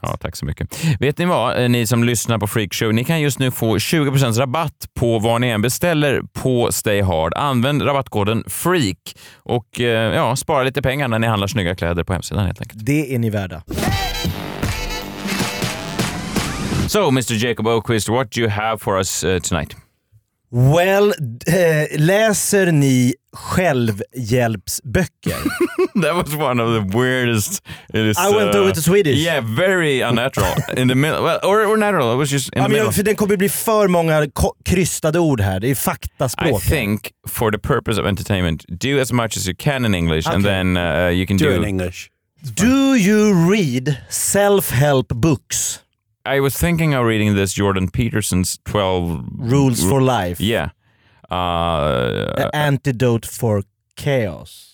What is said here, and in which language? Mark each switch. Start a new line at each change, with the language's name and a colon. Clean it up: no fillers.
Swedish: Ja, tack så mycket. Vet ni vad, ni som lyssnar på Freak Show, ni kan just nu få 20% rabatt på vad ni än beställer på Stay Hard. Använd rabattkoden FREAK och spara lite pengar när ni handlar snygga kläder på hemsidan, helt enkelt. Det är ni värda.
English: So, Mr. Jacob Ökvist, what do you have for us tonight?
Swedish: Well, läser ni självhjälpsböcker?
English: That was one of the weirdest. I went over to Swedish. Yeah, very unnatural. In the middle, well, or natural. It was just in the middle.
Swedish: För den kommer bli för många krystade ord här. Det är faktaspråk.
English: I think for the purpose of entertainment, do as much as you can in English, and then you can do it in English. Do you read self-help books? I was thinking of reading this Jordan Peterson's 12 Rules for Life. Yeah. The Antidote for Chaos.